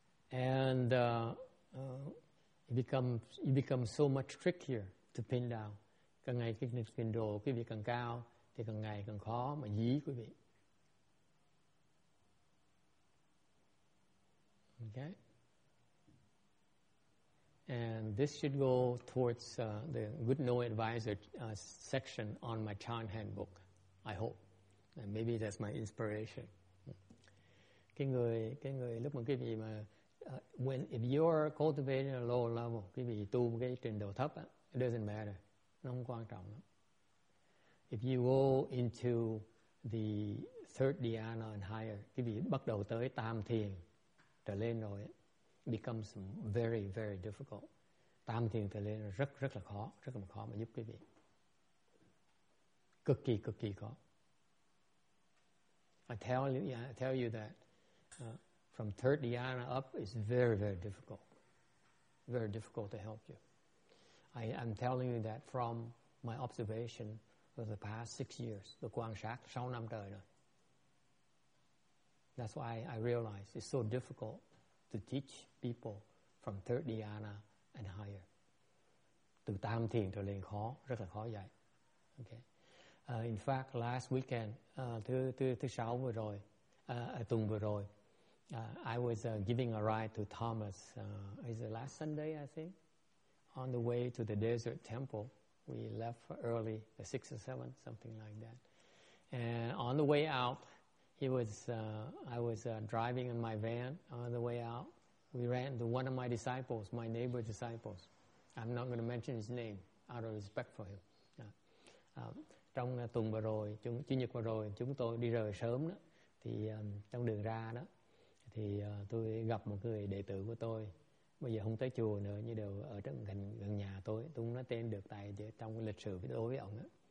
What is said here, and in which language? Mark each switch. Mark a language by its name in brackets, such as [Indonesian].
[English] And it becomes so much trickier to pin down. [Vietnamese] Càng ngày cái trình độ quý vị càng cao, thì càng ngày càng khó mà dí quý vị. [English] Okay. And this should go towards the good no advisor section on my chant handbook, I hope. And maybe that's my inspiration. [Vietnamese] Cái người lúc mà quý vị mà [English] when if you're cultivating a low level, [Vietnamese] quý vị tu một cái trình độ thấp á, [English] it doesn't matter. [Vietnamese] Nó không quan trọng lắm. [English] If you go into the third dhyana and higher, [Vietnamese] quý vị bắt đầu tới tam thiền trở lên rồi, [English] it becomes very, very difficult. [Vietnamese] Tam thiền trở lên rất rất là khó, rất là khó mà giúp quý vị. Cực kỳ khó. [English] I tell you that from third dhyana up is very, very difficult. Very difficult to help you. I'm telling you that from my observation for the past 6 years, the [Vietnamese] quan sát sáu năm trời rồi. [English] That's why I realize it's so difficult to teach people from third dhyana and higher. [Vietnamese] Từ tam thiền trở lên khó, rất là khó dạy. [English] Okay. In fact, last weekend, [Vietnamese] thứ sáu vừa rồi, tuần vừa rồi, [English] I was giving a ride to Thomas. Is it last Sunday, I think? On the way to the desert temple, we left early, 6 or 7, something like that. And on the way out, I was driving in my van. On the way out, we ran into one of my disciples, my neighbor disciples. I'm not going to mention his name out of respect for him. [Vietnamese] Trong tuần vừa rồi, chủ nhật vừa rồi, chúng tôi đi rời sớm đó. Thì trong đường ra đó, thì tôi gặp một người đệ tử của tôi. Bây giờ không tới chùa nữa, như đều ở gần nhà tôi. Tôi không nói tên được tại trong lịch sử với đối với ông đó.